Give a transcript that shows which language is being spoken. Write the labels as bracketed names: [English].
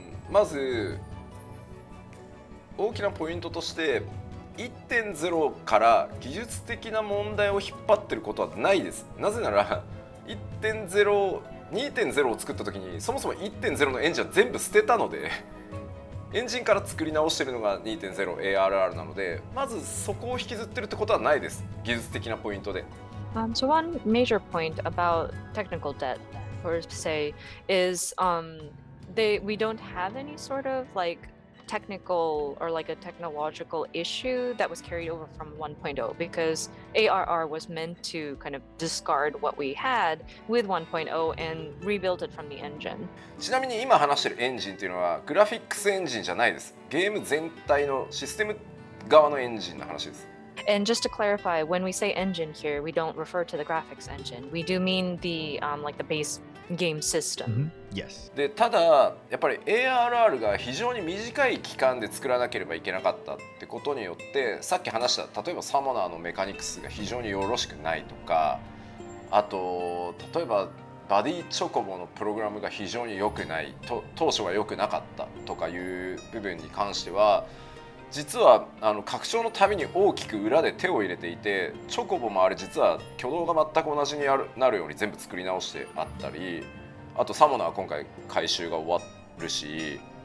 [Japanese] まず、大きなポイントとして、1.0 から技術的な問題を引っ張ってることはないです。なぜなら 1.0、2.0 を作った時にそもそも 1.0 のエンジンは全部捨てたので、エンジンから作り直してるのが 2.0ARR なので、まずそこを引きずってるってことはないです、技術的なポイントで。 [English] So one major point about technical debt per se is we don't have any sort of like technical or like a technological issue that was carried over from 1.0, because ARR was meant to kind of discard what we had with 1.0 and rebuild it from the engine. [Japanese] ちなみに今話してるエンジンっていうのはグラフィックスエンジンじゃないです。ゲーム全体のシステム側のエンジンの話です。 [English] And just to clarify, when we say engine here, we don't refer to the graphics engine. We do mean the like the base game system. Mm-hmm. Yes. [Japanese] で、ただやっぱり ARR が非常に短い期間で作らなければいけなかったってことによって、さっき話した例えばサモナーのメカニクスが非常によろしくないとか、あと例えばバディチョコボのプログラムが非常に良くない、当初は良くなかったとかいう部分に関しては、実はあの拡張のために大きく裏で手を入れていて、チョコボもあれ実は挙動が全く同じになるように全部作り直してあったり、あとサモナは今回回収が終わるし、